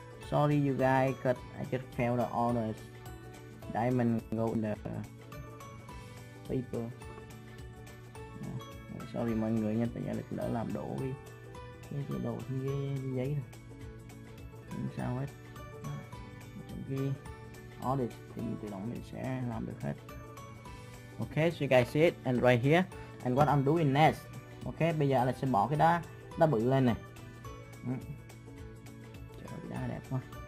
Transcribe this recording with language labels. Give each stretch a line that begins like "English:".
English: Sorry you guys, cut. I just found all the diamond gold in the paper. Yeah.
Vietnamese: Sorry mọi người nha, tại vì đã làm đổ cái đồ giấy rồi. Không sao hết. Cái
English: all this
Vietnamese: thì mình tự động mình sẽ làm được hết.
English: Okay, so you guys see it, and right here, and what I'm doing next.
Vietnamese: Okay, bây giờ Alex sẽ bỏ cái đá bự lên này. Trời ơi, đá đẹp quá.